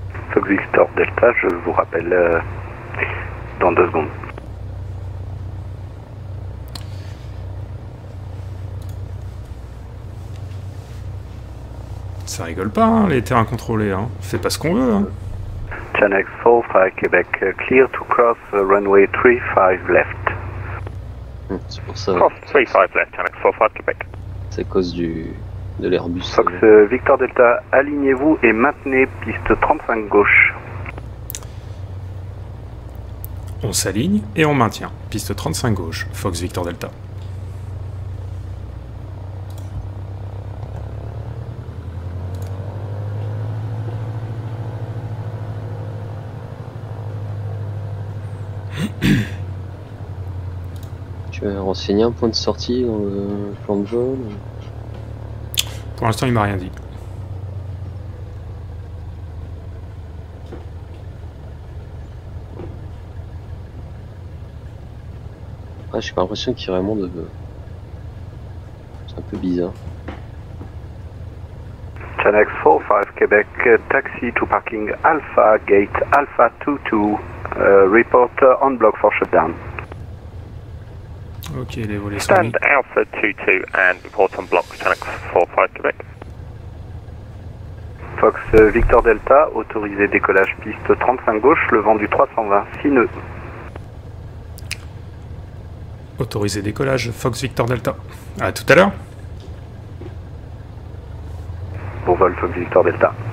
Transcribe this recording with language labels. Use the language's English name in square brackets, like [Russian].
[French] Fox Victor Delta, je vous rappelle dans 2 secondes. ça rigole pas, hein, les terrains contrôlés. Hein. On fait pas ce qu'on veut. Hein. [English] Channel 4-5 Québec, clear to cross runway 35 left. [French] C'est pour ça. [English] Cross 35 left, Channel 4-5 Québec. [French] C'est à cause de l'Airbus. Fox Victor Delta, alignez-vous et maintenez piste 35 gauche. On s'aligne et on maintient. Piste 35 gauche, Fox Victor Delta. Tu veux renseigner un point de sortie dans le plan de vol? Pour l'instant, il m'a rien dit. Ouais, j'ai pas l'impression qu'il y a vraiment de... C'est un peu bizarre. [English] Channel 4-5 Québec, taxi to parking Alpha Gate Alpha 22, report on block for shutdown. [French] Ok, les volets sont mis. [English] Stand Alpha 22 and report on block, Channel 4-5 Québec. [French] Fox Victor Delta, autorisé décollage piste 35 gauche, le vent du 320, 6 nœuds. Autorisé décollage, Fox Victor Delta. À tout à l'heure. Bon vol, Fox Victor Delta.